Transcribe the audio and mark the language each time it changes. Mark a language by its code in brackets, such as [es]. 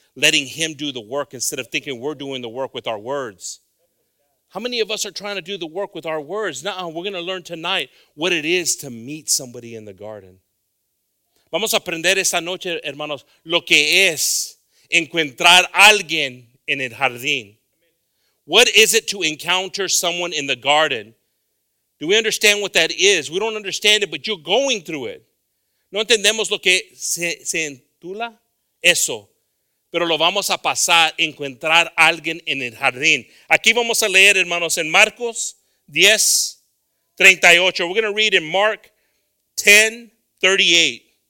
[en] Letting him do the work instead of thinking we're doing the work with our words. How many of us are trying to do the work with our words? Nuh-uh, we're going to learn tonight what it is to meet somebody in the garden. [es] Vamos a aprender esta noche, hermanos, lo que es encontrar alguien en el jardín. [en] What is it to encounter someone in the garden? Do we understand what that is? We don't understand it, but you're going through it. [es] No entendemos lo que se entula eso. Pero lo vamos a pasar, encontrar alguien en el jardín. Aquí vamos a leer, hermanos, en Marcos 10, 38. [en] We're going to read in Mark 10, 38.